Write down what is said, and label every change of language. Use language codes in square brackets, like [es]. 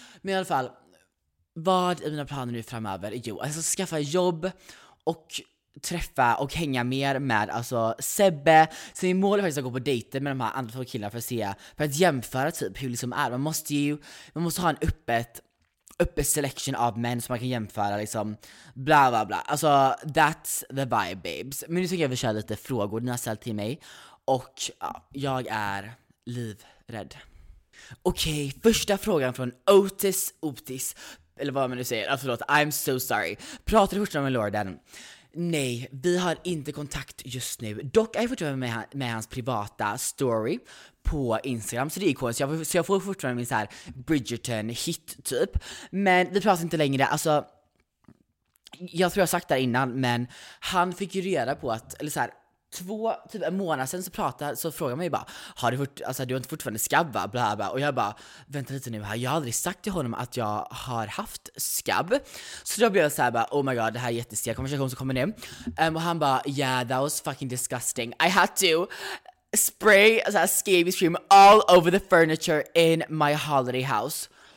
[sv] Men i alla fall, vad är mina planer nu framöver? Jo, jag ska skaffa jobb och träffa och hänga mer med alltså Sebbe. Så min mål är faktiskt att gå på dejter med de här andra två killarna för att jämföra typ hur det liksom är. Man måste ha en öppet selection av män som man kan jämföra liksom, bla bla bla. Alltså [en] that's the vibe, babes. [sv] Men nu tycker jag vi kör lite frågor ni har ställt till mig. Och ja, jag är livrädd. Okej, första frågan från Otis. Eller vad man nu säger, förlåt, [en] I'm so sorry. [sv] Pratar du först om Lorden? Nej, vi har inte kontakt just nu. Dock är jag fortfarande med hans privata story på Instagram. Så det är cool. Så jag får fortfarande min så här Bridgerton hit typ. Men vi pratar inte längre. Alltså, jag tror jag sagt det här innan, men han fick ju reda på att, eller så här, två typ en månad sen så frågar man ju bara, har du alltså du har inte fortfarande skabb, bla bla, och jag bara, vänta lite nu här, jag har aldrig sagt till honom att jag har haft skabb. Så då blev jag så här bara, oh my god, det här är jättestel konversation som kommer nu. Och han bara, [en] yeah, that was fucking disgusting. I had to spray [sv] så [en] scabies cream all over the furniture in my holiday house.